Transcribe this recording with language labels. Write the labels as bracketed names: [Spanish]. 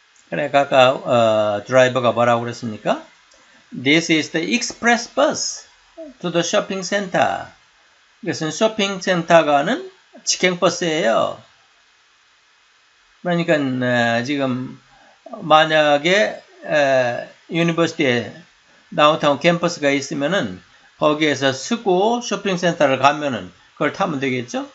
[Korean] 그래, 아까 드라이버가 뭐라고 그랬습니까? [English] This is the express bus to the shopping center. [Korean] 이것은 쇼핑 센터 가는 직행 버스예요. 그러니까 지금 만약에 유니버시티에 다운타운 캠퍼스가 있으면은 거기에서 쓰고 쇼핑 센터를 가면은 그걸 타면 되겠죠?